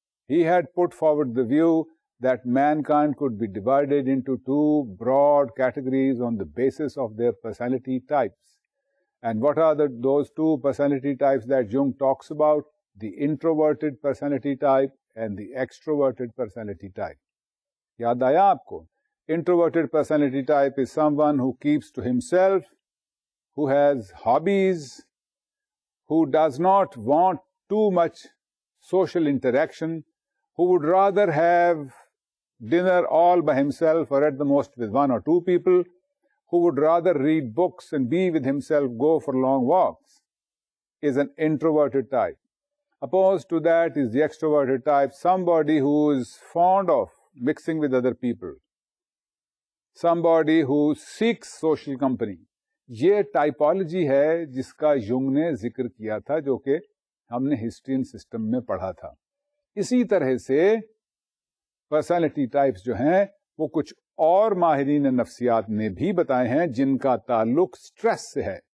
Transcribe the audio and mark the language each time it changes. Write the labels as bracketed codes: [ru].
[en] He head put forward the view that mankind could be divided into two broad categories on the basis of their personality types. And what are those two personality types that Jung talks about? The introverted personality type and the extroverted personality type. [ur] Yaad aaya aapko? [en] Introverted personality type is someone who keeps to himself, who has hobbies, who does not want too much social interaction, who would rather have dinner all by himself or at the most with one or two people, who would rather read books and be with himself, go for long walks, is an introverted type. Opposed to that is the extroverted type, somebody who is fond of mixing with other people, somebody who seeks social company. [ur] یہ typology ہے جس کا Jung نے ذکر کیا تھا, جو کہ ہم نے ہسٹری اینڈ سسٹم میں پڑھا تھا. اسی طرح سے پرسنالٹی ٹائپس جو ہیں وہ کچھ اور ماہرین نفسیات نے بھی بتائے ہیں جن کا تعلق سٹریس سے ہے.